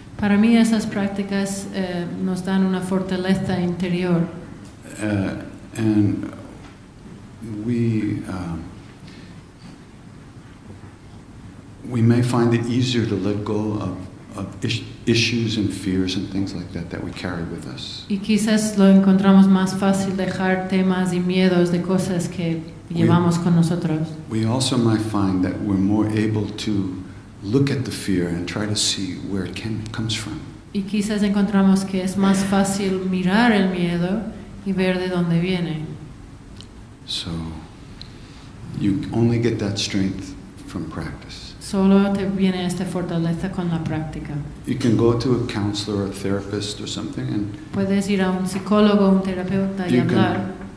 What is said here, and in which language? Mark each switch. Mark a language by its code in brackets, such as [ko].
[es] Para mí esas prácticas nos dan una fortaleza interior. [en] And we we may find it easier to let go of issues and fears and things like that we carry with us. [es] Y quizás lo encontramos más fácil dejar temas y miedos de cosas que llevamos con nosotros. [en] We also might find that we're more able to look at the fear and try to see where it comes from. [es] Y quizás encontramos que es más fácil mirar el miedo y ver de dónde viene. [en] So, you only get that strength from practice. [es] Solo te viene esta fortaleza con la práctica. [en] You can go to a counselor or a therapist or something and [es] puedes ir a un psicólogo, un terapeuta y hablar.